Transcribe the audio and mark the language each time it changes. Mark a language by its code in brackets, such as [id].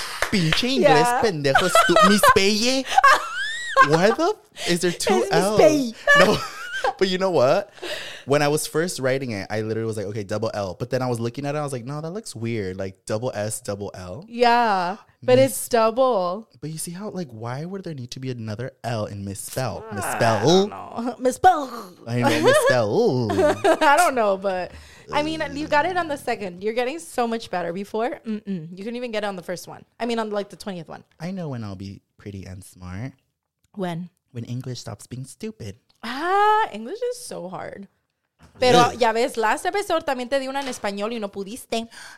[es] Pinche inglés pendejo, mis peye. [en] Why the is there two L's? No, but you know what? When I was first writing it, I literally was like, okay, double L. But then I was looking at it, I was like, no, that looks weird. Like double S, double L. Yeah, but it's double. But you see how, like, why would there need to be another L in misspell? Misspell. Misspell. I know, misspell. I don't know, but I mean, you got it on the second. You're getting so much better. Before, you couldn't even get it on the first one. I mean, on like the 20th one. I know when I'll be pretty and smart. When? When English stops being stupid. Ah, English is so hard. [es] Pero ya ves, [en] last episode [es] también te di una en español y no pudiste.